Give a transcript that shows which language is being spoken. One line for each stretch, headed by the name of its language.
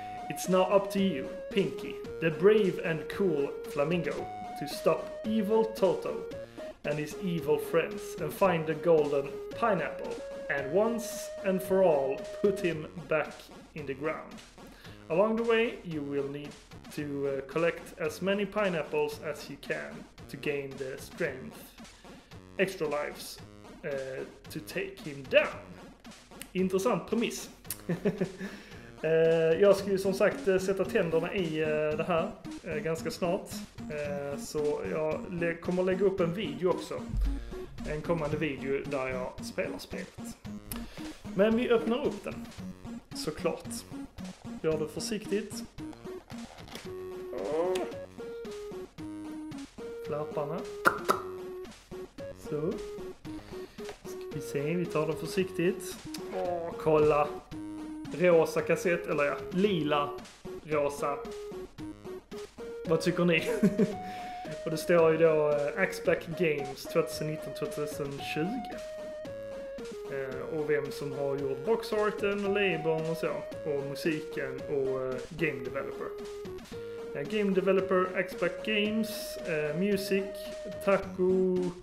English: It's now up to you, Pinky, the brave and cool flamingo, to stop evil Toto and his evil friends and find the golden pineapple and once and for all put him back in the ground. Along the way, you will need to collect as many pineapples as you can to gain the strength, extra lives, to take him down.
Swedish: Intressant premiss. Jag ska ju som sagt sätta tänderna i det här ganska snart. Så jag kommer lägga upp en video också. En kommande video där jag spelar spelet. Men vi öppnar upp den. Såklart. Gör det försiktigt. Klapparna. Så. Ska vi se, vi tar den försiktigt. Kolla. Rosa kassett, eller ja, lila rosa. Vad tycker ni? Och det står ju då Axback Games 2019-2020. Och vem som har gjort boxarten och labeln och så. Och musiken och game developer.
English: Game developer, Axback Games, music, Taku...